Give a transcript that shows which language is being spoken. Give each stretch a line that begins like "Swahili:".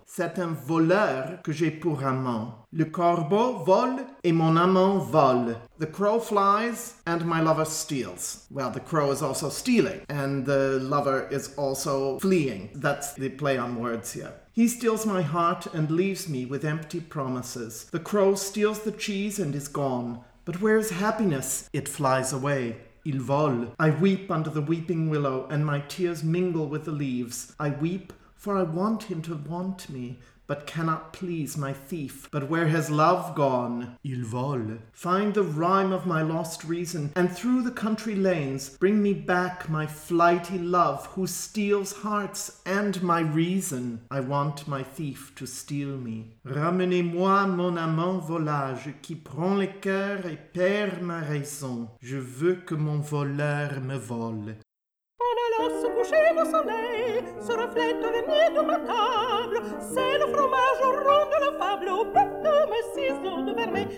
French: C'est un voleur que j'ai pour amant. Le corbeau vole et mon amant vole.
English: The crow flies and my lover steals. Well, the crow is also stealing and the lover is also fleeing. That's the play on words here. He steals my heart and leaves me with empty promises. The crow steals the cheese and is gone. But where is happiness? It flies away.
French: Il vole.
English: I weep under the weeping willow and my tears mingle with the leaves. I weep for I want him to want me, but cannot please my thief. But where has love gone?
French: Il vole.
English: Find the rhyme of my lost reason, and through the country lanes, bring me back my flighty love, who steals hearts and my reason. I want my thief to steal me.
French: Ramenez-moi mon amant volage, qui prend le cœur et perd ma raison. Je veux que mon voleur me vole. Se coucher au soleil, se reflète le nez de ma table. C'est le fromage rond de la fable au bout de mes ciseaux de vermeil.